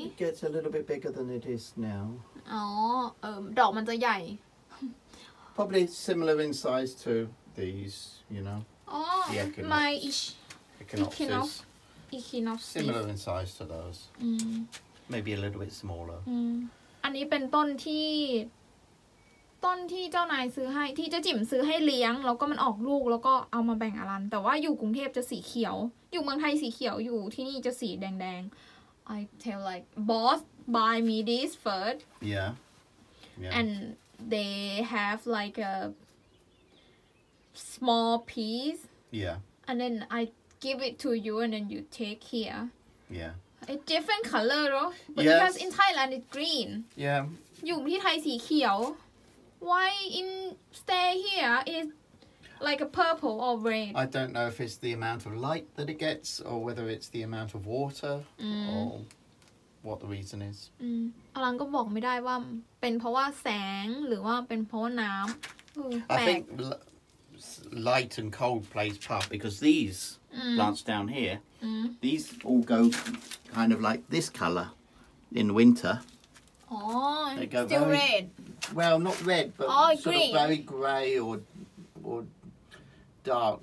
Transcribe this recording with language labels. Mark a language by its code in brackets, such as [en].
[en] It gets a little bit bigger than it is now. [th] อ๋อ ดอกมันจะใหญ่ [en] Probably similar in size to these, you know. Oh, my echinopsis. Similar in size to those. Maybe a little bit smaller. [th] อันนี้เป็นต้นที่เจ้านายซื้อให้ที่จะจิ๋มซื้อให้เลี้ยงแล้วก็มันออกลูกแล้วก็เอามาแบ่งอรันแต่ว่าอยู่กรุงเทพจะสีเขียวอยู่เมืองไทยสีเขียวอยู่ที่นี่จะสีแดงๆ [en] I tell like boss buy me this first. Yeah. And they have like a small piece. Yeah. And then I. Give it to you and then you take here. Yeah. It's different color, though. But because in Thailand it's green. Yeah. [th] อยู่ที่ไทยสีเขียว [en] Why in stay here is like a purple or red? I don't know if it's the amount of light that it gets or whether it's the amount of water or what the reason is. [th] อลังก็บอกไม่ได้ว่าเป็นเพราะว่าแสงหรือว่าเป็นเพราะน้ำ [en] I think light and cold plays part because these. Plants down here, these all go kind of like this color in winter. Oh, they go still very, red. Well, not red, but sort of very gray or dark.